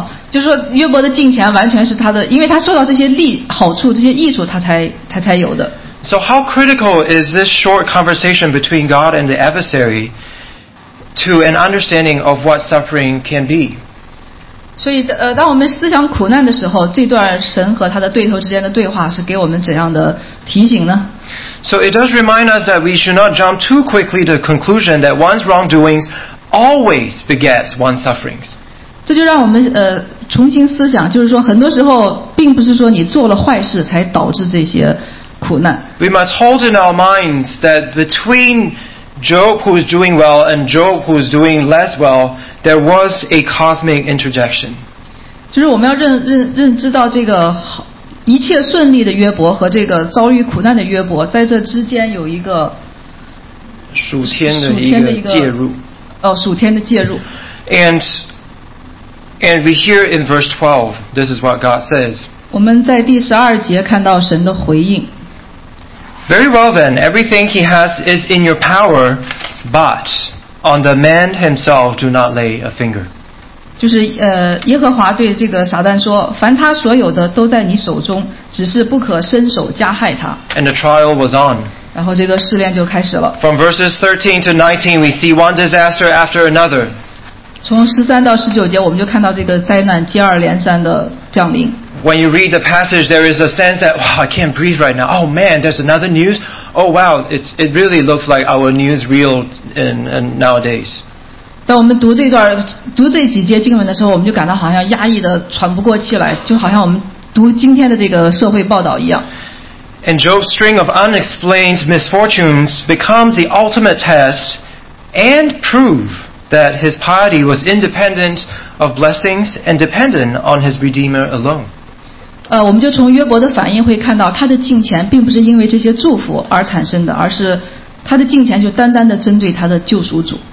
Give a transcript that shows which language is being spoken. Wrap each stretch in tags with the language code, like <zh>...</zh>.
<zh>就是说约伯的敬虔完全是他的因为他受到这些利好处这些益处他才有的</zh> <en>So how critical is this short conversation between God and the adversary to an understanding of what suffering can be</en> <zh>所以当我们思想苦难的时候这段神和他的对头之间的对话是给我们怎样的提醒呢</zh> <en>So it does remind us that we should not jump too quickly to the conclusion that one's wrongdoings always begets one's sufferings</en> <zh>这就让我们重新思想就是说很多时候并不是说你做了坏事才导致这些苦难</zh> <en>We must hold in our minds that between Job who is doing well and Job who is doing less well there was a cosmic interjection</en> <zh>就是我们要 认知到这个一切顺利的约伯和这个遭遇苦难的约伯在这之间有一个属天的一个介入属天的介入</zh> <en>And we hear in verse 12, this is what God says.</en> <zh>我们在第十二节看到神的回应。</zh> <en>Very well then, everything he has is in your power, but on the man himself do not lay a finger.</en> <zh>就是耶和华对这个撒旦说，凡他所有的都在你手中，只是不可伸手加害他。</zh> <en>And the trial was on.</en> <zh>然后这个试炼就开始了。</zh> <en>From verses 13 to 19, we see one disaster after another.</en> <zh>从十三到十九节，我们就看到这个灾难接二连三的降临。</zh> <en>When you read the passage, there is a sense that wow, I can't breathe right now. Oh man, there's another news. Oh wow, it really looks like our news reel in nowadays.</en> <zh>当我们读这段读这几节经文的时候，我们就感到好像压抑的喘不过气来，就好像我们读今天的这个社会报道一样。</zh> <en>And Job's string of unexplained misfortunes becomes the ultimate test and proof. That his piety was independent of blessings and dependent on his Redeemer alone.</en> <zh>我们就从约伯的反应会看到，他的敬虔并不是因为这些祝福而产生的，而是他的敬虔就单单的针对他的救赎主。</zh>